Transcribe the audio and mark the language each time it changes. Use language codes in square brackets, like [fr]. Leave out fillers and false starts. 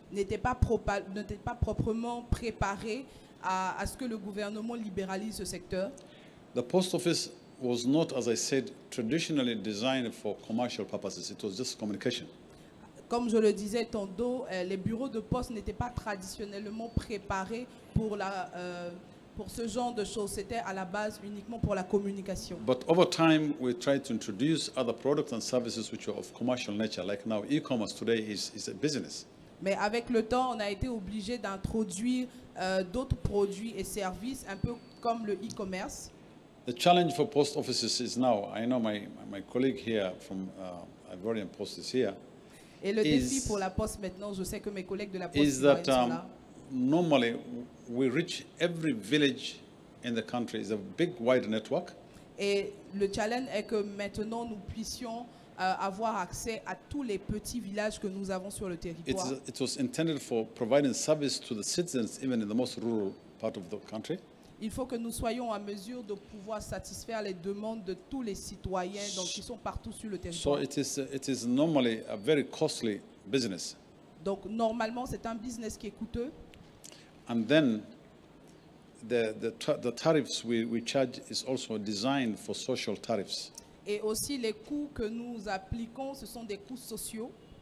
[fr] N'étaient pas proprement préparés à ce que le gouvernement libéralise ce secteur. [en] The post office was not, as I said, traditionally designed for commercial purposes. It was just communication. [fr] Comme je le disais tantôt, les bureaux de poste n'étaient pas traditionnellement préparés pour la pour ce genre de choses. C'était à la base uniquement pour la communication. [en] But over time, we tried to introduce other products and services which are of commercial nature, like now e-commerce today is a business. [fr] Mais avec le temps, on a été obligé d'introduire d'autres produits et services, un peu comme le e-commerce. [en] The challenge for post offices is now, I know my colleague here from Ivorian Post is here. [fr] Et le défi pour la poste maintenant, je sais que mes collègues de la poste sont là. [en] Is that normally we reach every village in the country. It's a big wide network. [fr] Et le challenge est que maintenant nous puissions avoir accès à tous les petits villages que nous avons sur le territoire. [en] It was intended for providing service to the citizens even in the most rural part of the country. [fr] Il faut que nous soyons en mesure de pouvoir satisfaire les demandes de tous les citoyens donc, qui sont partout sur le territoire. [en] So it is normally a very costly business. [fr] Donc normalement, c'est un business qui est coûteux. [en] And then the tariffs we charge is also designed for social tariffs. [fr] Et aussi les coûts que nous appliquons, ce sont des coûts sociaux.